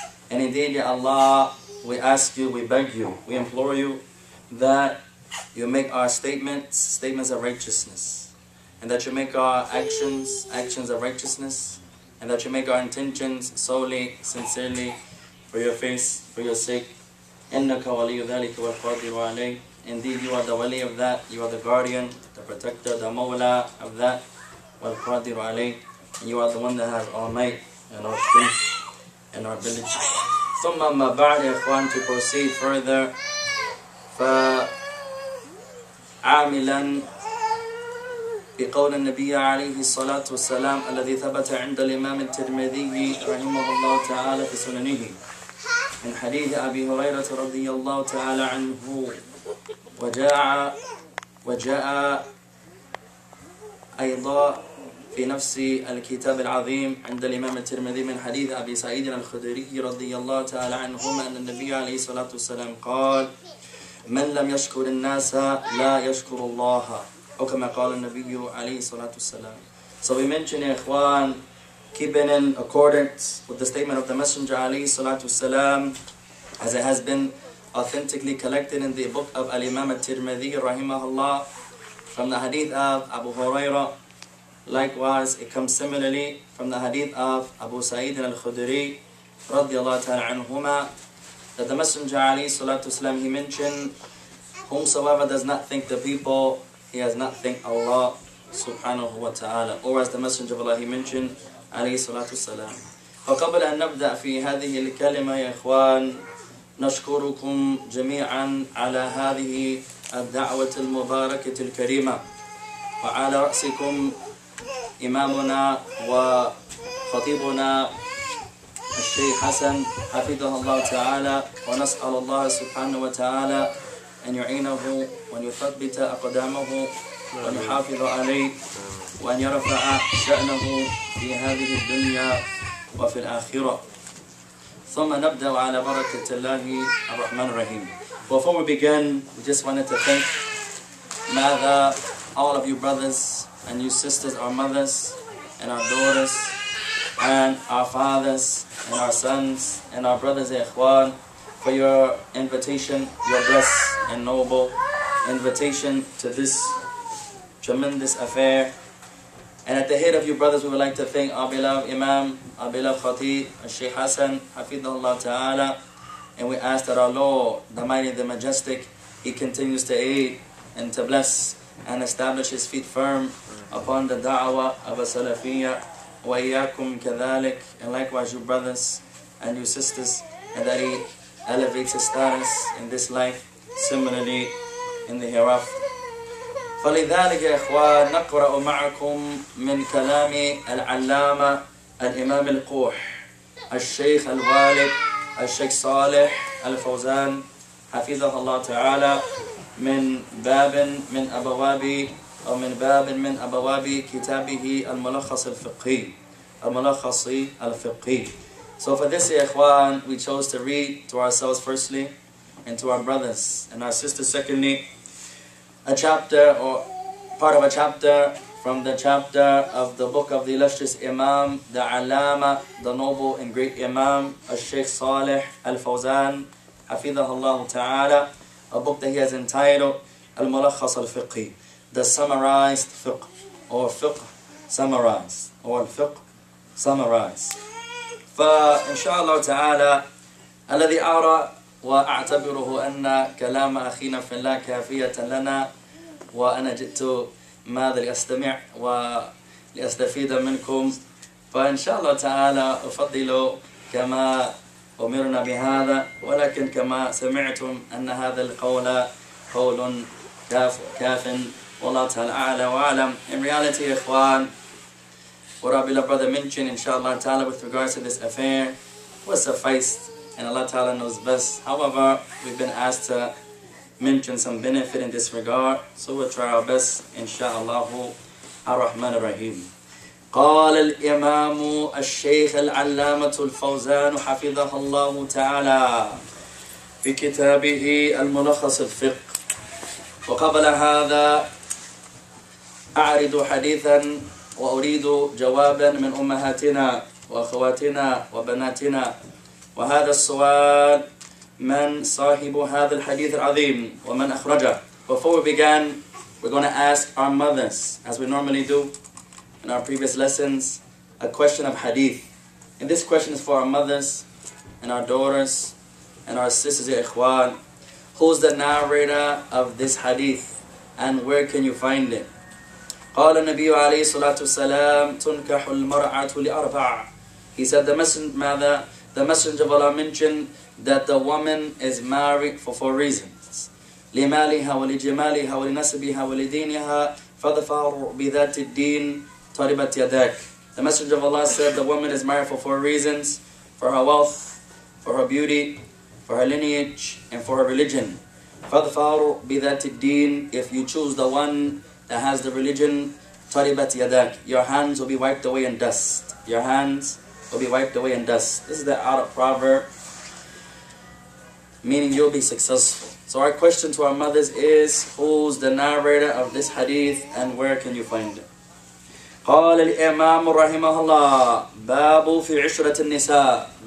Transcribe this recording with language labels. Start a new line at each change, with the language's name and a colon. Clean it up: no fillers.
English: And indeed, Ya Allah, we ask you, we beg you, we implore you that you make our statements of righteousness, and that you make our actions of righteousness, and that you make our intentions solely, sincerely, for your face, for your sake.
Arabic: إِنَّكَ وَلِيُّ ذَلِكَ وَالْقَادِرُ عَلَيْهِ.
English: Indeed, you are the wali of that, you are the guardian, the protector, the mawla of that,
Arabic: وَالْقَادِرُ عَلَيْهِ.
English: You are the one that has all might and all strength and our ability.
Arabic: ثُمَّ مَا بَعْدِ إِخْوَانِ.
English: To proceed further,
Arabic: فَعَامِلًا بِقَوْلِ النَّبِيِّ عَلَيْهِ الصَّلَاةُ وَالسَّلَامُ الَّذِي ثَبَتَ عِنْدَ الْإِمَامِ التِّرْمِذِيِّ رَحِمَهُ اللَّهُ تَعَالَى فِي سُنَنِهِ مِنْ حَدِيثِ أَبِي هُرَيْرَةَ رَضِيَ اللَّهُ تَعَالَى عَنْهُ وَجَاءَ أَيْضًا فِي نَفْسِ الْكِتَابِ الْعَظِيمِ عِنْدَ الْإِمَامِ التِّرْمِذِيِّ مِنْ حَدِيثِ أَبِي سَعِيدٍ الْخُدْرِيِّ رَضِيَ اللَّهُ تَعَالَى عَنْهُمَا أَنَّ النَّبِيَّ عَلَيْهِ الصَّلَاةُ وَالسَّلَامُ قَالَ من لم يشكر الناس لا يشكر الله أو كما قال النبي عليه الصلاة والسلام.
English: So we mention, ikhwan, keeping in accordance with the statement of the Messenger
Arabic: عليه الصلاة والسلام,
English: as it has been authentically collected in the book of Al-Imam al-Tirmidhi
Arabic: رحمه الله,
English: from the hadith of Abu Huraira. Likewise, it comes similarly from the hadith of Abu Sa'id al-Khudri
Arabic: رضي الله تعالى عنهما,
English: that the Messenger
Arabic: عليه الصلاة والسلام,
English: he mentioned, whomsoever does not thank the people, he has not thanked Allah subhanahu wa ta'ala. Or as the Messenger of Allah, he mentioned,
Arabic: عليه الصلاة والسلام. فقبل أن نبدأ في هذه الكلمة يا إخوان, نشكركم جميعا على هذه الدعوة المباركة الكريمة, وعلى رأسكم إمامنا وخطيبنا الشيخ حسن حفظه الله تعالى, ونسأل الله سبحانه وتعالى أن يعينه وأن يثبت أقدامه وأن يحافظ عليه وأن يرفع شأنه في هذه الدنيا وفي الآخرة. ثم نبدأ على بركة الله الرحمن الرحيم.
English: Before we begin, we just wanted to thank
Arabic: ماذا
English: all of you brothers and you sisters, our mothers and our daughters and our fathers and our sons and our brothers, ikhwan, for your invitation, your blessed and noble invitation to this tremendous affair. And at the head of you brothers, we would like to thank our beloved Imam, our beloved Khatib, Sheikh Hassan, Hafidhullah Ta'ala. And we ask that our Lord, the Mighty, the Majestic, he continues to aid and to bless and establish his feet firm upon the da'wah of a Salafiyyah.
Arabic: وَإِيَّاكُمْ كَذَلِكَ.
English: And likewise, you brothers and you sisters, and that he elevates his status in this life, similarly in the hereafter.
Arabic: فلذلك يا إخوان نقرأ معكم من كلام العلامة الإمام القوح الشيخ الوالد الشيخ صالح الفوزان حفظه الله تعالى من باب من أبواب أو من باب من أبواب كتابه الملخص الفقهي الملخص الفقهي.
English: So for this, إخوان, we chose to read to ourselves firstly, and to our brothers and our sisters secondly, a chapter or part of a chapter from the chapter of the book of the illustrious Imam, the Allama, the noble and great Imam, al-Shaykh Salih al-Fawzan, hafidhahullah ta'ala, a book that he has entitled Al-Mulakhas al-Fiqhi, the summarized fiqh, or fiqh summarized, or al-fiqh summarized.
Arabic: Inshallah ta'ala, al-ladhi ara wa a'tabiruhu anna kalama akhina finla kafiyatan lana وأنا جئت ماذا لأستمع ولأستفيد منكم فإن شاء الله تعالى أفضل كما أمرنا بهذا ولكن كما سمعتم أن هذا القول قول كاف والله تعالى أعلى وأعلم.
English: In reality, إخوان, what our beloved brother mentioned, inshallah ta'ala, with regards to this affair was sufficed, and Allah ta'ala knows best. However, we've been asked to mention some benefit in this regard, so we'll try our best, insha'Allah, ar-Rahman ar-Rahim.
Arabic: قال الإمام الشيخ العلامة الفوزان حفظه الله تعالى في كتابه الملخص الفقه. وقبل هذا أعرض حديثا وأريد جوابا من أمهاتنا وأخواتنا وبناتنا. وهذا السؤال: من صاحب هذا الحديث العظيم ومن أخرجه.
English: Before we began, we're going to ask our mothers, as we normally do in our previous lessons, a question of hadith. And this question is for our mothers and our daughters and our sisters, ya ikhwan. Who's the narrator of this hadith and where can you find it?
Arabic: قال النبي عليه الصلاة والسلام تنكح المرأة لأربع.
English: He said the Messenger of Allah mentioned that the woman is married for four reasons.
Arabic: لِمَالِهَا وَلِجِمَالِهَا وَلِنَسِبِهَا وَلِدِينِهَا فَذَفَارُ بِذَاتِ الدِّينِ طَرِبَتْ يَدَكَ.
English: The Messenger of Allah said the woman is married for four reasons: for her wealth, for her beauty, for her lineage, and for her religion.
Arabic: فَذَفَارُ بِذَاتِ الدِّينِ.
English: If you choose the one that has the religion,
Arabic: طَرِبَتْ يَدَكَ,
English: your hands will be wiped away in dust. Your hands will be wiped away in dust. This is the Arab proverb, meaning you'll be successful. So our question to our mothers is, who's the narrator of this hadith and where can you find it?
Arabic: قال الإمام رحمه الله باب في عشرة النساء.